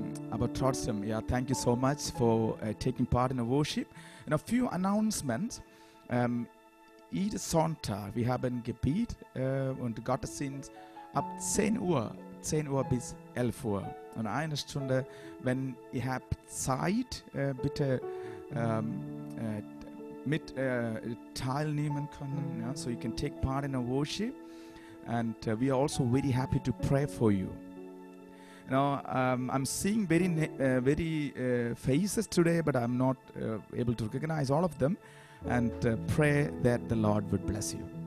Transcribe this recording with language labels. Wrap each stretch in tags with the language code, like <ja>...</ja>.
<de>aber trotzdem,</de> <en>yeah, thank you so much for taking part in the worship. And a few announcements.</en> <de>Jeden Sonntag, wir haben Gebet und Gottesdienst ab 10 Uhr, 10 Uhr bis 11 Uhr. Und eine Stunde, wenn ihr habt Zeit, bitte mit teilnehmen können.</de> <en>Yeah? So you can take part in the worship. And we are also very happy to pray for you. I'm seeing very faces today, but I'm not able to recognize all of them. And pray that the Lord would bless you.</en>